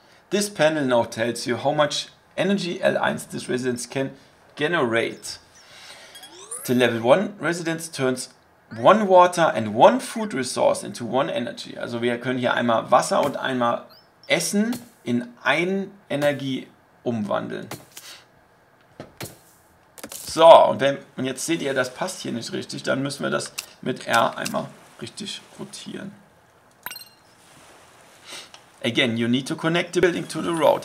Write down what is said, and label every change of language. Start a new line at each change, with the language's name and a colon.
English: This panel now tells you how much energy L1 this residence can generate. The level 1 residence turns one water and one food resource into one energy.
German: Also wir können hier einmal Wasser und einmal Essen in ein Energie umwandeln. So, und wenn, und jetzt seht ihr, das passt hier nicht richtig, dann müssen wir das mit R einmal richtig rotieren.
English: Again, you need to connect the building to the road.